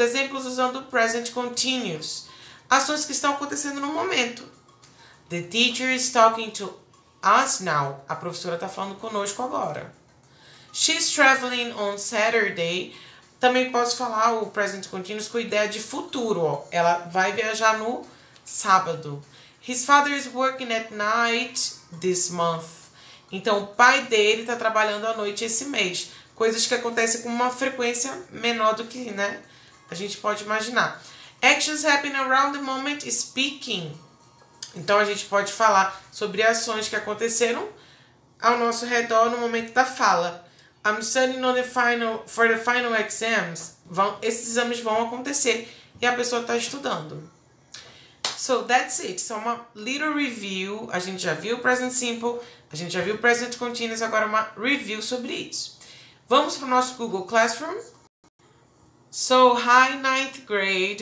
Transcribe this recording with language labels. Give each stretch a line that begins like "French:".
Portuguese: Exemplos usando o present continuous. Ações que estão acontecendo no momento.
English: The teacher is talking to us now.
Portuguese: A professora está falando conosco agora.
English: She's traveling on Saturday.
Portuguese: Também posso falar o present continuous com ideia de futuro. Ó. Ela vai viajar no sábado.
English: His father is working at night this month.
Portuguese: Então, o pai dele está trabalhando à noite esse mês. Coisas que acontecem com uma frequência menor do que, né, a gente pode imaginar.
English: Actions happen around the moment speaking.
Portuguese: Então, a gente pode falar sobre ações que aconteceram ao nosso redor no momento da fala.
English: I'm studying on the final, for the final exams.
Portuguese: Esses exames vão acontecer e a pessoa está estudando.
English: So that's it. So uma little review.
Portuguese: A gente já viu o
English: present simple.
Portuguese: A gente já viu o present continuous. Agora uma review sobre isso. Vamos para o nosso Google Classroom.
English: So hi, ninth grade.